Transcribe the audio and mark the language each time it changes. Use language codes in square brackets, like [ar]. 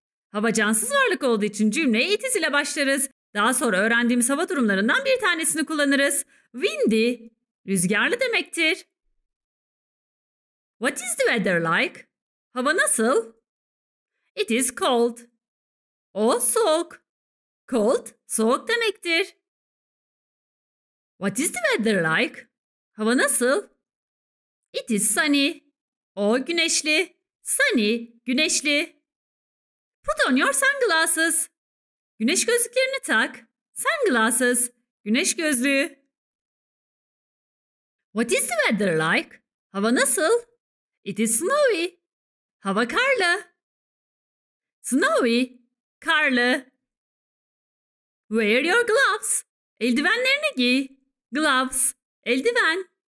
[tr] Hava cansız varlık olduğu için cümleye [en] it is [tr] ile başlarız. Daha sonra öğrendiğimiz hava durumlarından bir tanesini kullanırız. Windy, Rüzgarlı demektir. [en] What is the weather like? [tr] Hava nasıl? [en] It is cold. [tr] O soğuk. Cold, soğuk demektir. [en] What is the weather like? [tr] Hava nasıl? [en] It is sunny. [tr] O güneşli. [en] Sunny, güneşli. Put on your sunglasses. [tr] Güneş gözlüklerini tak. Sunglasses, güneş gözlüğü. [en] What is the weather like? [tr] Hava nasıl? [en] It is snowy. [tr] Hava karlı. [en] Snowy, karlı. Wear your gloves. [tr] Eldivenlerini giy. Gloves, eldiven.